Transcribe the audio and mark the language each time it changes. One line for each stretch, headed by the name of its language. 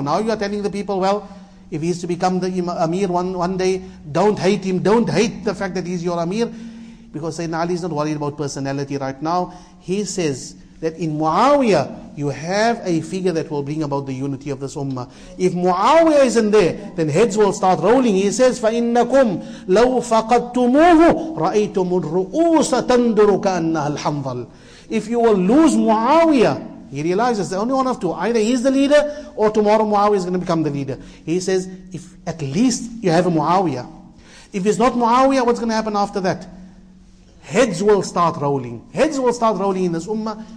English: Now you are telling the people, well, if he's to become the Amir one day, don't hate him, don't hate the fact that he's your Amir. Because Sayyidina Ali is not worried about personality right now. He says that in Muawiyah, you have a figure that will bring about the unity of this Ummah. If Muawiyah isn't there, then heads will start rolling.
Arabic: He says, فَإِنَّكُمْ لَوْ فَقَدْتُمُوهُ رَأَيْتُمُ الرُّؤُوسَ تَنْدُرُ كَأَنَّهَا الْحَنْظَلُ.
English: If you will lose Muawiyah, he realizes the only one of two, either he's the leader, or tomorrow Muawiyah is going to become the leader. He says, if at least you have a Muawiyah. If it's not Muawiyah, what's going to happen after that? Heads will start rolling. Heads will start rolling in this Ummah.